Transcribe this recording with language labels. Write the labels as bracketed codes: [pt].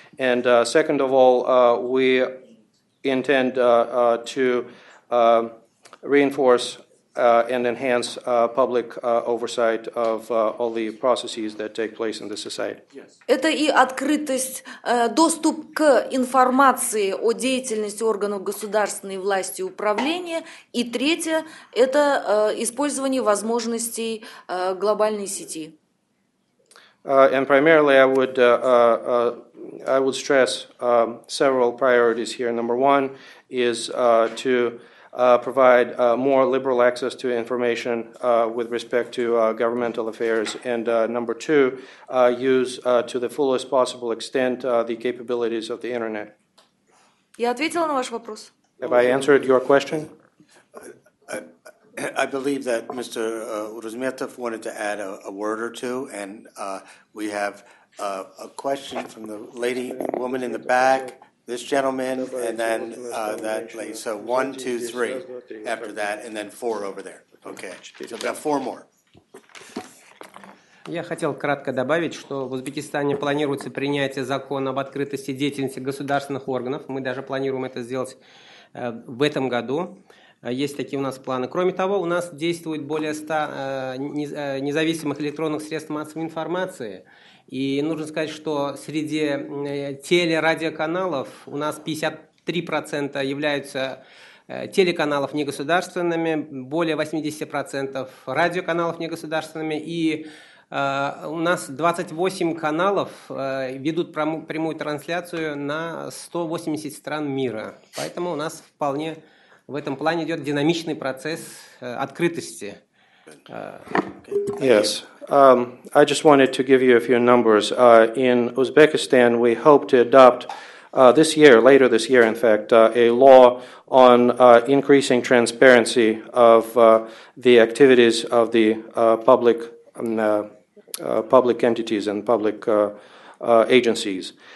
[en] And second of all, we intend to reinforce and enhance public oversight of all the processes that take place in the society. [ru] Это и открытость, доступ к информации о деятельности органов государственной власти и управления, и третье – это использование возможностей глобальной сети. [en] And primarily, I would stress several priorities here. Number one is to provide more liberal access to information with respect to governmental affairs, and number two, use to the fullest possible extent the capabilities of the internet. [ru] Я ответила на ваш вопрос. [en] Have I answered your question? I believe that Mr. Uzmetov wanted to add a word or two, and we have a question from the lady, woman in the back, this gentleman, and then that lady. So one, two, three after that, and then four over there. Okay, so we have four more. [ru] Я хотел кратко добавить, что в Узбекистане планируется принятие закона об открытости деятельности государственных органов. Мы даже планируем это сделать в этом году. Есть такие у нас планы. Кроме того, у нас действует более 100 независимых электронных средств массовой информации. И нужно сказать, что среди телерадиоканалов у нас 53% являются телеканалов негосударственными, более 80% радиоканалов негосударственными. И у нас 28 каналов ведут прямую трансляцию на 180 стран мира. Поэтому у нас вполне... В этом плане идет динамичный процесс открытости. [en] Yes. I just wanted to give you a few numbers. In Uzbekistan, we hope to adopt this year, later this year, in fact, a law on increasing transparency of the activities of the public entities and public agencies.